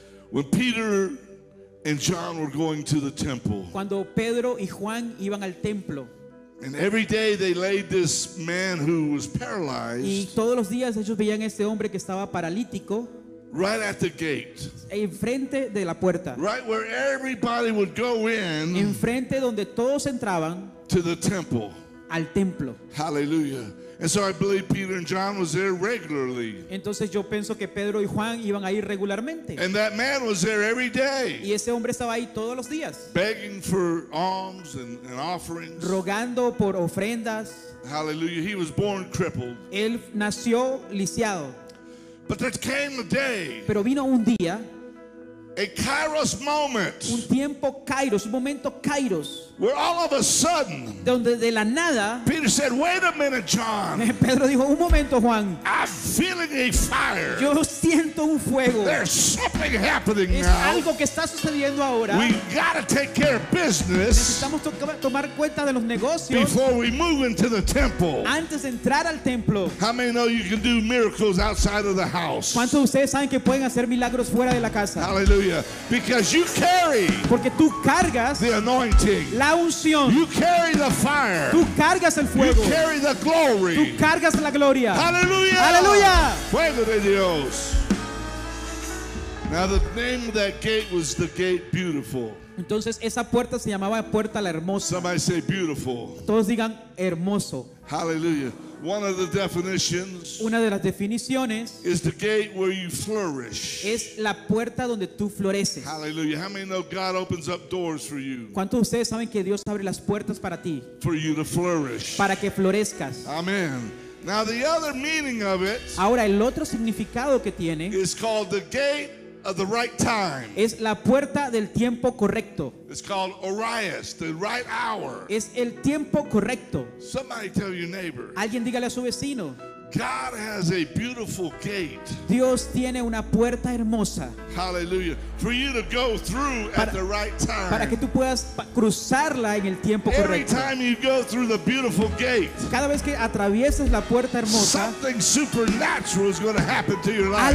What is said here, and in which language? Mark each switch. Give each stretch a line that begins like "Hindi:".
English: When Peter and John were going to the temple.
Spanish: Cuando Pedro y Juan iban al templo.
English: And every day they laid this man who was paralyzed.
Spanish: Y todos los días ellos veían este hombre que estaba paralítico.
English: Right at the gate.
Spanish: Enfrente de la puerta.
English: Right where everybody would go in.
Spanish: Enfrente donde todos entraban.
English: To the temple.
Spanish: Al templo.
English: Hallelujah. And so I believe Peter and John was there regularly.
Spanish: Entonces yo pienso que Pedro y Juan iban ahí regularmente.
English: And that man was there every day.
Spanish: Y ese hombre estaba ahí todos los días.
English: Begging for alms and offerings.
Spanish: Rogando por ofrendas.
English: Hallelujah. He was born crippled.
Spanish: Él nació lisiado.
English: But there came a day.
Spanish: Pero vino un día.
English: A Kairos moment.
Spanish: Un tiempo Kairos, un momento Kairos.
English: Where all of a sudden,
Spanish: donde de la nada,
English: Peter said, "Wait a minute, John."
Spanish: Pedro dijo, "Un momento, Juan."
English: I'm feeling a fire.
Spanish: Yo siento un fuego.
English: There's something happening
Spanish: es
English: now.
Spanish: Es algo que está sucediendo ahora.
English: We gotta take care of business.
Spanish: Necesitamos tomar cuenta de los negocios.
English: Before we move into the temple.
Spanish: Antes de entrar al templo.
English: How many know you can do miracles outside of the house?
Spanish: ¿Cuántos de ustedes saben que pueden hacer milagros fuera de la casa?
English: Hallelujah! Because you carry.
Spanish: Porque tú cargas.
English: The anointing.
Spanish: La unción.
English: You carry the fire.
Spanish: Tú cargas el fuego.
English: You carry the glory.
Spanish: Tú cargas la gloria.
English: Hallelujah. Hallelujah.
Spanish: Fuego de Dios.
English: Now the name of that gate was the gate Beautiful.
Spanish: Entonces esa puerta se llamaba Puerta la Hermosa.
English: Somebody say beautiful.
Spanish: Todos digan hermoso.
English: Hallelujah. One of the definitions.
Spanish: Una de las definiciones.
English: Is the gate where you flourish.
Spanish: Es la puerta donde tú floreces.
English: Hallelujah. How many know God opens up doors for you?
Spanish: ¿Cuántos de ustedes saben que Dios abre las puertas para ti?
English: For you to flourish.
Spanish: Para que florezcas.
English: Amen. Now the other meaning of it.
Spanish: Ahora el otro significado que tiene.
English: Is called the gate of the right time.
Spanish: Es la puerta del tiempo correcto.
English: It's called Orias, the right hour.
Spanish: Es el tiempo correcto.
English: Somebody tell your neighbor.
Spanish: Alguien dígale a su vecino.
English: God has a beautiful gate.
Spanish: Dios tiene una puerta hermosa.
English: Hallelujah. For you to go through at the right time.
Spanish: Para que tú puedas cruzarla en el tiempo correcto.
English: Every time you go through the beautiful gate.
Spanish: Cada vez que atravieses la puerta hermosa.
English: Something supernatural is going to happen to your life.